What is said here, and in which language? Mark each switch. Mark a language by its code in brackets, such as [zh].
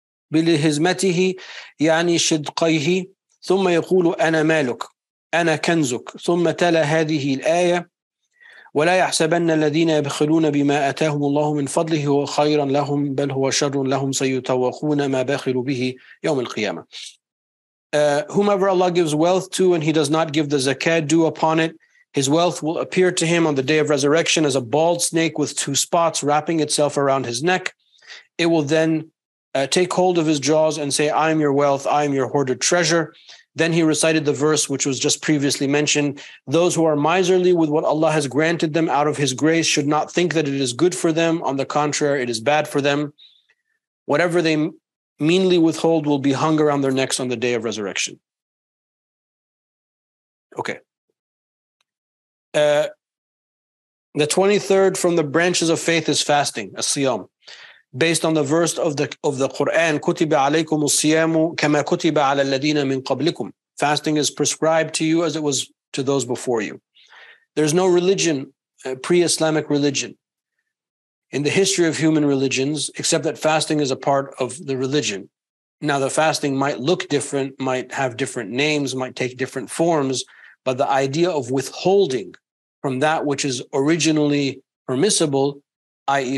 [ar] بلهزمته يعني شدقيه ثم يقول أنا مالك أنا كنزك ثم تلا هذه الآية ولا يحسبن الذين يبخلون بما آتاهم الله من فضله هو خيرا لهم بل هو شر لهم سيتوقون ما بخلوا به يوم القيامة. [en] Whomever Allah gives wealth to and he does not give the zakat due upon it, his wealth will appear to him on the day of resurrection as a bald snake with two spots wrapping itself around his neck. It will then take hold of his jaws and say, I am your wealth, I am your hoarded treasure. Then he recited the verse which was just previously mentioned. Those who are miserly with what Allah has granted them out of his grace should not think that it is good for them. On the contrary, it is bad for them. Whatever they meanly withhold will be hung around their necks on the day of resurrection. Okay. The 23rd from the branches of faith is fasting, a siyam. Based on the verse of the Quran, [ar] كُتِبَ عَلَيْكُمُ الصِّيَامُ كَمَا كُتِبَ عَلَى الَّذِينَ مِنْ قَبْلِكُمْ. [en] Fasting is prescribed to you as it was to those before you. There's no religion, pre-Islamic religion, in the history of human religions, except that fasting is a part of the religion. Now, the fasting might look different, might have different names, might take different forms, but the idea of withholding from that which is originally permissible, i.e.